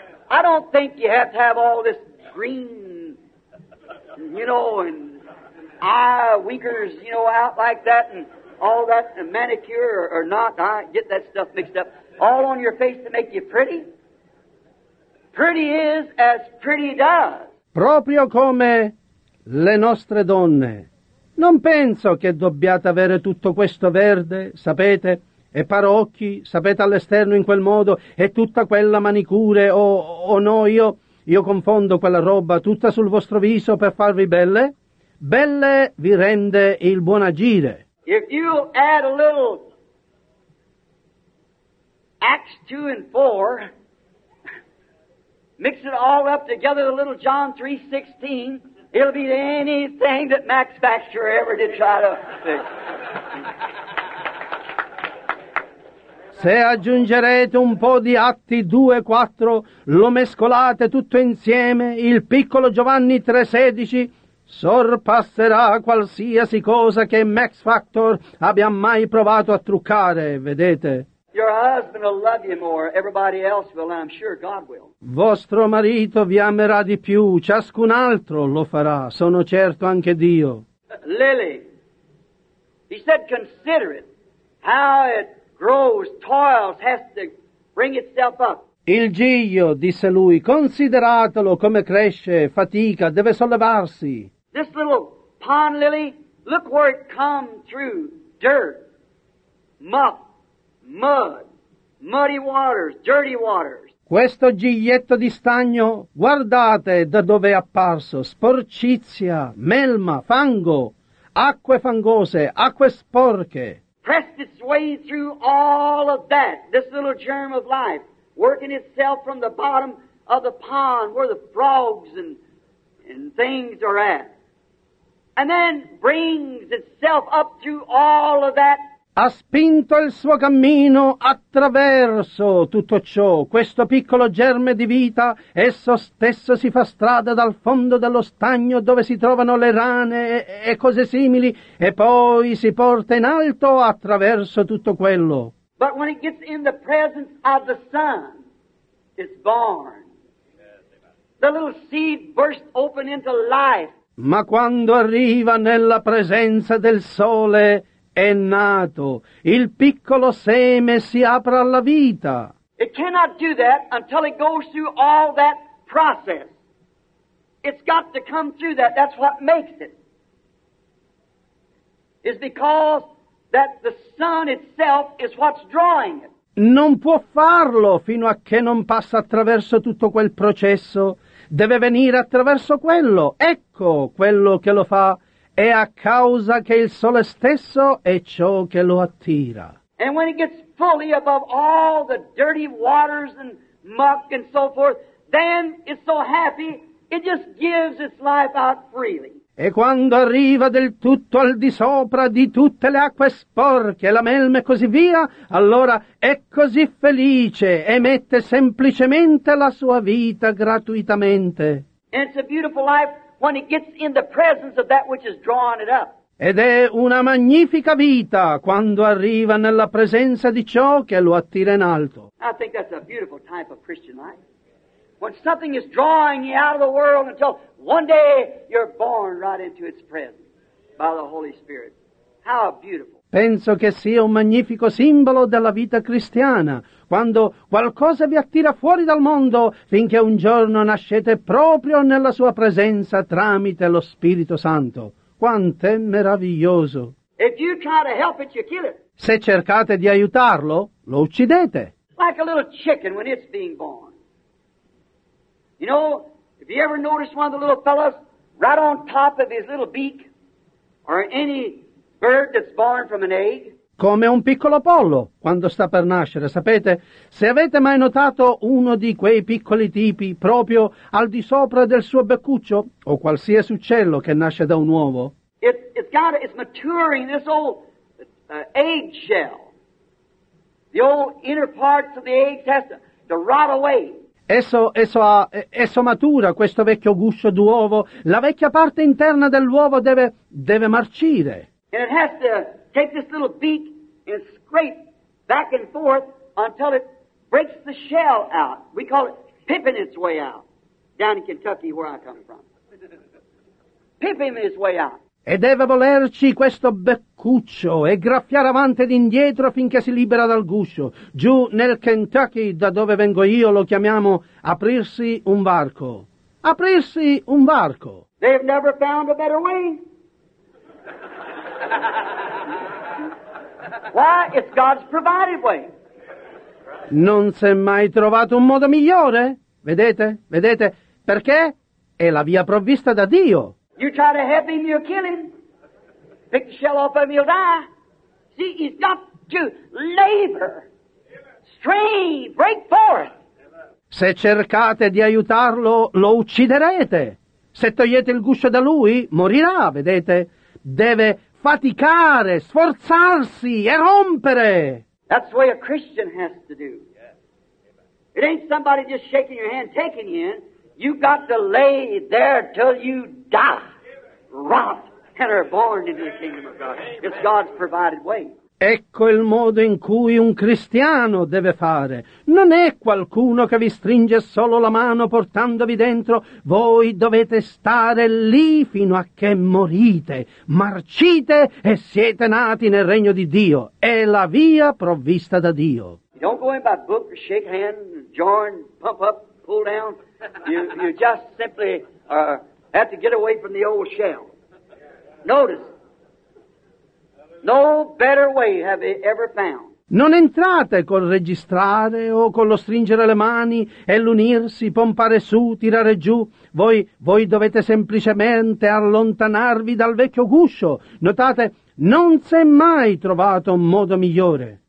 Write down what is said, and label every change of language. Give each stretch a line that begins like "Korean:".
English: I don't think you have to have all this green, you know, and eye winkers, you know, out like that, and all that, and manicure or not, I get that stuff mixed up, all on your face to make you pretty. Pretty is as pretty does.
Italian: Proprio come le nostre donne. Non penso che dobbiate avere tutto questo verde, sapete, e parocchi, sapete, all'esterno in quel modo, e tutta quella manicure, io confondo quella roba tutta sul vostro viso per farvi belle. Belle vi rende il buon agire.
English: If you add a little Acts 2 and 4, mix it all up together, the little John 3:16, it'll be anything that Max Baxter ever did try to fix.
Italian: Se aggiungerete un po' di Atti 2, 4, lo mescolate tutto insieme, il piccolo Giovanni 3:16 sorpasserà qualsiasi cosa che Max Factor abbia mai provato a truccare, vedete?
English: Your husband will love you more. Everybody else will, I'm sure God will.
Italian: Vostro marito vi amerà di più, ciascun altro lo farà, sono certo anche Dio.
English: Lily, he said, consider it, how it grows, toils, has to bring itself up.
Italian: Il giglio, disse lui, consideratelo come cresce, fatica, deve sollevarsi.
English: This little pond lily, look where it come through, dirt, muck, mud, muddy waters, dirty waters.
Italian: Questo giglietto di stagno, guardate da dove è apparso, sporcizia, melma, fango, acque fangose, acque sporche.
English: Pressed its way through all of that, this little germ of life, working itself from the bottom of the pond where the frogs and things are at. And then brings itself up through all of that.
Italian: Ha spinto il suo cammino attraverso tutto ciò, questo piccolo germe di vita, esso stesso si fa strada dal fondo dello stagno dove si trovano le rane e cose simili, e poi si porta in alto attraverso tutto quello.
English: But when it gets in the presence of the sun, it's born. The little seed bursts open into life.
Italian: Ma quando arriva nella presenza del sole, è nato. Il piccolo seme si apre alla vita.
English: It cannot do that until it goes through all that process. It's got to come through that. That's what makes it. It's because that the sun itself is what's drawing it.
Italian: Non può farlo fino a che non passa attraverso tutto quel processo. Deve venire attraverso quello. Ecco quello che lo fa. È a causa che il sole stesso è ciò che lo attira.
English: And when it gets fully above all the dirty waters and muck and so forth, then it's so happy, it just gives its life out freely.
Italian: E quando arriva del tutto al di sopra di tutte le acque sporche, la melma e così via, allora è così felice, emette semplicemente la sua vita gratuitamente.
English: And it's a beautiful life when it gets in the presence of that which is drawing it up.
Italian: Ed è una magnifica vita quando arriva nella presenza di ciò che lo attira in alto.
English: I think that's a beautiful type of Christian life. When something is drawing you out of the world until one day you're born right into its presence by the Holy Spirit. How beautiful.
Italian: Penso che sia un magnifico simbolo della vita cristiana, quando qualcosa vi attira fuori dal mondo finché un giorno nascete proprio nella sua presenza tramite lo Spirito Santo. Quanto è meraviglioso.
English: If you try to help it, you kill it.
Italian: Se cercate di aiutarlo, lo uccidete.
English: Like a little chicken when it's being born. You know, if you ever notice one of the little fellows, right on top of his little beak, or any bird that's born from an egg.
Italian: Come un piccolo pollo, quando sta per nascere, sapete? Se avete mai notato uno di quei piccoli tipi, proprio al di sopra del suo beccuccio, o qualsiasi uccello che nasce da un uovo?
English: It's maturing this old egg shell. The old inner parts of the egg has to rot away.
Italian: Esso matura, questo vecchio guscio d'uovo. La vecchia parte interna dell'uovo deve marcire.
English: And it has to take this little beak and scrape back and forth until it breaks the shell out. We call it pipping its way out, down in Kentucky where I come from. Pipping its way out.
Italian: E deve volerci questo beccuccio e graffiare avanti ed indietro finché si libera dal guscio. Giù nel Kentucky, da dove vengo io, lo chiamiamo aprirsi un varco. Aprirsi un varco.
English: They've never found a better way. Why? It's God's provided way.
Italian: Non si è mai trovato un modo migliore. Vedete? Vedete? Perché? È la via provvista da Dio.
English: You try to help him, you'll kill him. Pick the shell off of him, he'll die. See, he's got to labor, strain, break forth.
Italian: Se cercate di aiutarlo, lo ucciderete. Se togliete il guscio da lui, morirà, vedete? Deve faticare, sforzarsi e rompere.
English: That's the way a Christian has to do. It ain't somebody just shaking your hand, taking you in. You got to lay there till you die, rot, and are born into the kingdom of God. It's God's provided way.
Italian: Ecco il modo in cui un cristiano deve fare. Non è qualcuno che vi stringe solo la mano portandovi dentro. Voi dovete stare lì fino a che morite, marcite e siete nati nel regno di Dio. È la via provvista da Dio.
English: Don't go in by book, shake hand, join, pump up, pull down. You just simply have to get away from the old shell. Notice, no better way have they ever found.
Italian: Non entrate col registrare o con lo stringere le mani e l'unirsi, pompare su, tirare giù. Voi dovete semplicemente allontanarvi dal vecchio guscio. Notate, non si è mai trovato un modo migliore.